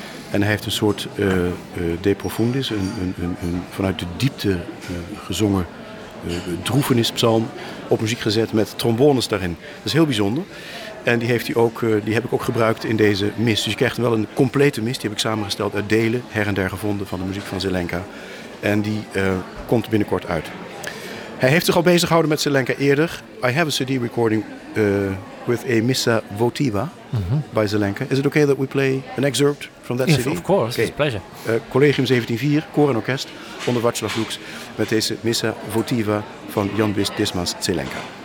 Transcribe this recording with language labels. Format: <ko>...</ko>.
<nl>En hij heeft een soort de profundis, een vanuit de diepte gezongen droefenispsalm op muziek gezet met trombones daarin. Dat is heel bijzonder. En die heeft hij ook, die heb ik ook gebruikt in deze mis. Dus je krijgt wel een complete mis. Die heb ik samengesteld uit delen, her en der gevonden, van de muziek van Zelenka. En die komt binnenkort uit. Hij heeft zich al bezig gehouden met Zelenka eerder.</nl> <en>I have a CD recording with a Missa Votiva by Zelenka. Is it okay that we play an excerpt from that CD? Of course, okay. It's a pleasure.</en> <nl>Collegium 1704, koor en orkest onder Václav Lux met deze Missa Votiva van Jan Dismas Zelenka.</nl>